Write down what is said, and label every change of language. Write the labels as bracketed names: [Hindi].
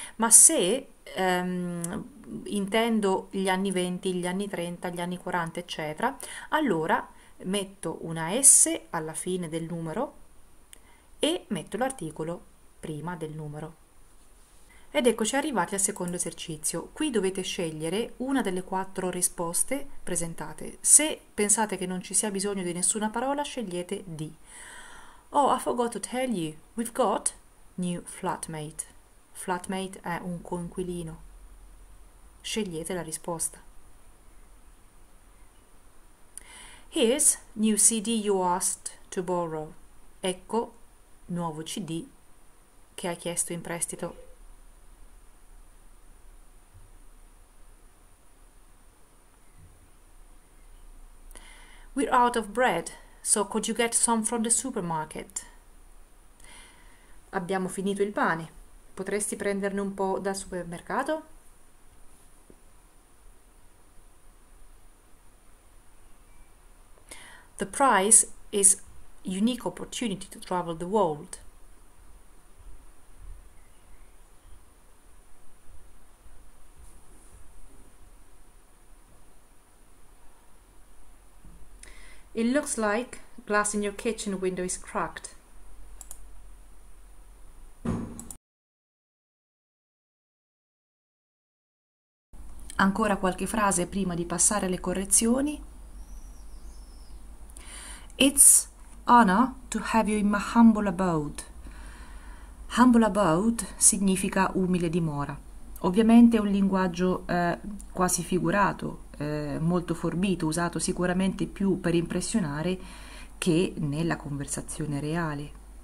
[Italian] Ma se intendo gli anni 20, gli anni 30, gli anni 40, eccetera, allora metto una S alla fine del numero e metto l'articolo prima del numero. Ed eccoci arrivati al secondo esercizio. Qui dovete scegliere una delle quattro risposte presentate. Se pensate che non ci sia bisogno di nessuna parola, scegliete D. [English] Oh, I forgot to tell you, we've got new flatmate. [Italian] Flatmate è un coinquilino. Scegliete la risposta. [English] Here's new CD you asked to borrow. [Italian] Ecco, nuovo CD che hai chiesto in prestito. [English] We're out of bread, so could you get some from the supermarket? [Italian] Abbiamo finito il pane. Potresti prenderne un po' dal supermercato? [English] The prize is a unique opportunity to travel the world. It looks like glass in your kitchen window is cracked. [Italian] Ancora qualche frase prima di passare alle correzioni. [English] It's honor to have you in my humble abode. [Italian] Humble abode significa umile dimora. Ovviamente è un linguaggio quasi figurato, molto forbito, usato sicuramente più per impressionare che nella conversazione reale.